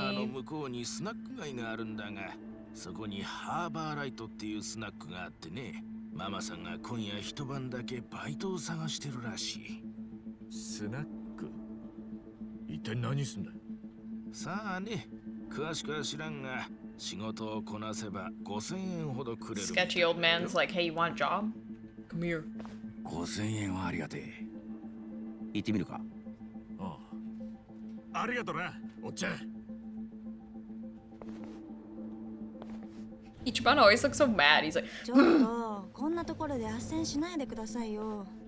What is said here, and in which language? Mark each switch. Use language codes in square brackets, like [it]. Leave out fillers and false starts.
[ja] あの向こうにスナックがあるんだが、そこにハーバーライトっていうスナックがあってね、ママさんが今夜一晩だけバイトを探してるらしい。スナック？一体何すんだ？さあね、詳しくは知らんが。仕事をこなせば5000円 ほどくれる [en] Sketchy old man's like, hey, you want a job? Come here. [ja] 5000円 はありがてえ。行ってみるか? ああ。ありがとな、おっちゃん。 [en] Ichiban always looks so mad. He's like, [ja] ちょっと、こんなところで斡旋しないでくださいよ。